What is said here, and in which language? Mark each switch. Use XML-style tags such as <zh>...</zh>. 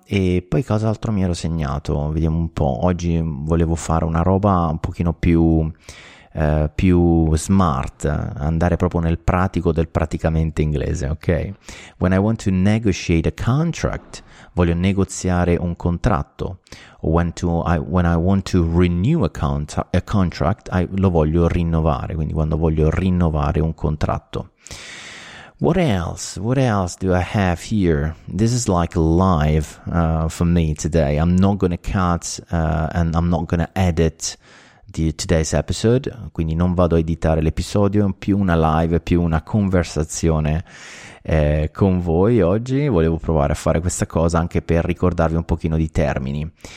<it>E poi cos'altro mi ero segnato, vediamo un po', oggi volevo fare una roba un pochino più smart, andare proprio nel pratico del praticamente inglese, ok?</it> <en>When I want to negotiate a contract,</en> <it>voglio negoziare un contratto.</it> <en>When I want to renew a contract,</en> <it>lo voglio rinnovare, quindi quando voglio rinnovare un contratto.</it> <en>What else do I have here? This is like live for me today. I'm not going to cut and I'm not going to edit the today's episode,</en> <it>quindi non vado a editare l'episodio, più una live, più una conversazione con voi oggi. Volevo provare a fare questa cosa anche per ricordarvi un pochino di termini.</it>